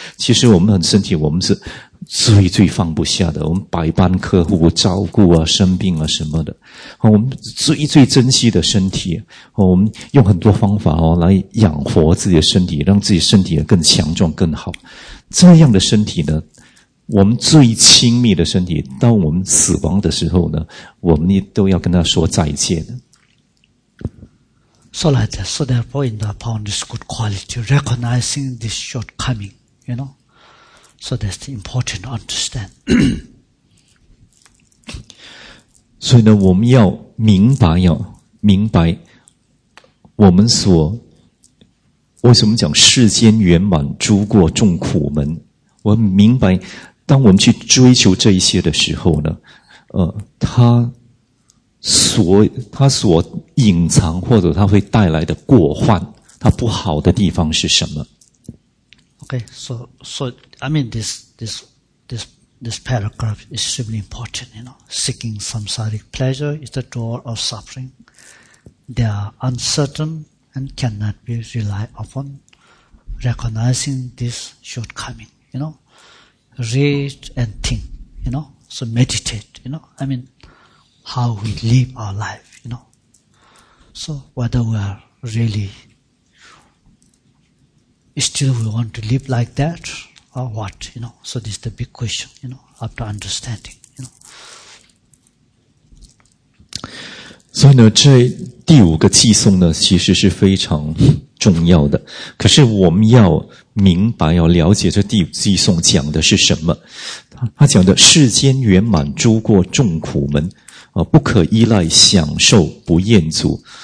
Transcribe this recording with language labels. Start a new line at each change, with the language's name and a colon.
Chinese: 其实我们很身体，我们是最最放不下的。我们百般呵护、照顾啊，生病啊什么的，哦，我们最最珍惜的身体，哦，我们用很多方法哦来养活自己的身体，让自己身体更强壮、更好。这样的身体呢，我们最亲密的身体，当我们死亡的时候呢，我们都要跟他说再见。
English: So like that, so therefore, in the upon this good quality, recognizing this shortcoming, you know, so that's important to understand.
Chinese: 所以呢，我们要明白，要明白我们所为什么讲世间圆满，诸过众苦门。我们明白。当我们去追求这一些的时候呢，他所隐藏或者他会带来的过患，他不好的地方是什么
English: ？Okay, so I mean this paragraph is extremely important. You know, seeking samsaric pleasure is the door of suffering. They are uncertain and cannot be relied upon. Recognizing this shortcoming, you know. Read and think, you know. So meditate, you know. I mean, how we live our life, you know. So whether we are really still we want to live like that or what, you know. So this is the big question, you know, after understanding, you know.
Chinese: 所以呢，这第五个偈颂呢，其实是非常重要的。可是我们要明白，要了解这第五偈颂讲的是什么。他讲的世间圆满，诸过众苦门，不可依赖，享受不厌足。